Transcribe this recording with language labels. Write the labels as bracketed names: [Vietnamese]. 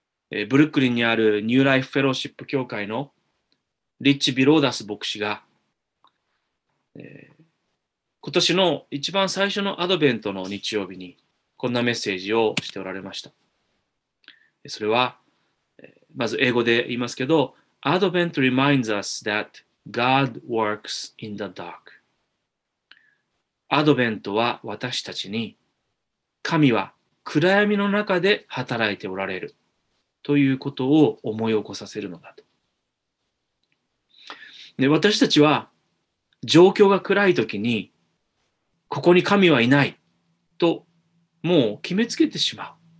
[Japanese] ブルックリンにあるニューライフフェローシップ教会のリッチ・ビローダス牧師が、今年の一番最初のアドベントの日曜日にこんなメッセージをしておられました。それはまず英語で言いますけど、 [English] Advent reminds us that God works in the dark。 [Japanese] アドベントは私たちに、神は暗闇の中で働いておられるということを思い起こさせるのだと。で、私たちは状況が暗いときに、ここに神はいないと、もう決めつけてしまう。